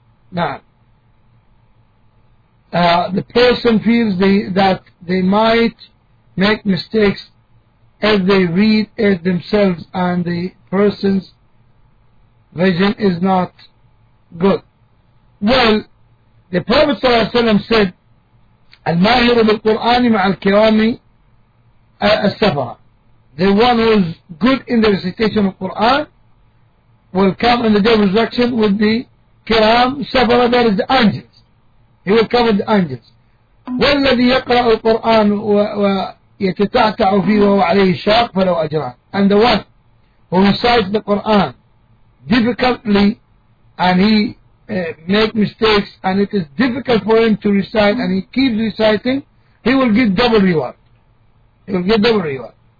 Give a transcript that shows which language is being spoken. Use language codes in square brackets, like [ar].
[en] Now, the person feels that they might make mistakes if they read it themselves and the person's vision is not good. Well, the Prophet ﷺ said, [ar] الماهر بالقرآن مع الكرام السفر. [en] The one who is good in the recitation of the Quran will come in the day of resurrection with the kiram السفر, that is the angels. He will come with the angels. [ar] والذي يقرأ القرآن ويتتعتع فيه وهو عليه شاق فلو أجران. [en] And the one who recites the Quran difficultly and he make mistakes and it is difficult for him to recite and he keeps reciting, he will get double reward. He will get double reward.